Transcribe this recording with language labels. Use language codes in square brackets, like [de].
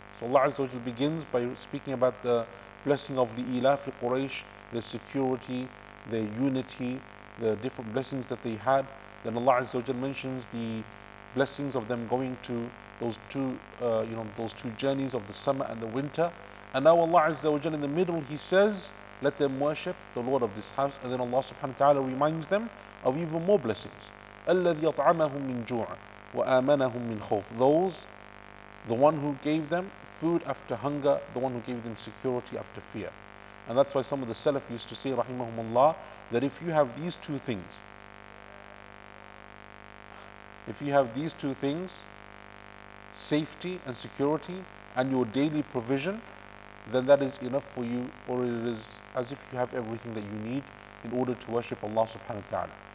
[en] So Allah Azza wa Jalla begins by speaking about the blessing of the Ilaf Quraysh, their security, their unity, the different blessings that they had. Then Allah Azza wa Jalla mentions the blessings of them going to those two, those two journeys of the summer and the winter. And now Allah Azza wa Jalla in the middle, he says, let them worship the Lord of this house. And then Allah subhanahu wa ta'ala reminds them of even more blessings. [ar] الَّذِي أَطْعَمَهُمْ مِنْ جُوعٍ وَآمَنَهُمْ مِنْ خَوْفٍ, [en] those, the one who gave them food after hunger, the one who gave them security after fear. And that's why some of the Salaf used to say, rahimahumullah, that if you have these two things, if you have these two things, safety and security, and your daily provision, then that is enough for you, or it is as if you have everything that you need in order to worship Allah subhanahu wa ta'ala.